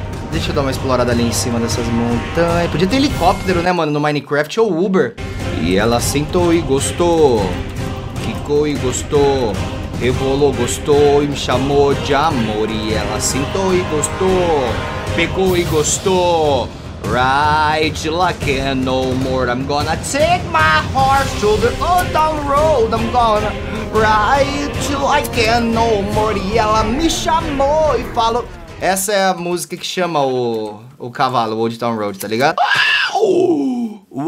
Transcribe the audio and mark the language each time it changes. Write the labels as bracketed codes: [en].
[pt] Deixa eu dar uma explorada ali em cima dessas montanhas. Podia ter helicóptero, né, mano? No Minecraft ou Uber. E ela sentou e gostou, ficou e gostou, revolou, gostou e me chamou de amor. E ela sentou e gostou, pegou e gostou, [en] ride like no more. I'm gonna take my horse to the other road. I'm gonna ride like no more. [pt] E ela me chamou e falou... Essa é a música que chama o cavalo, Old Town Road, tá ligado? Uou!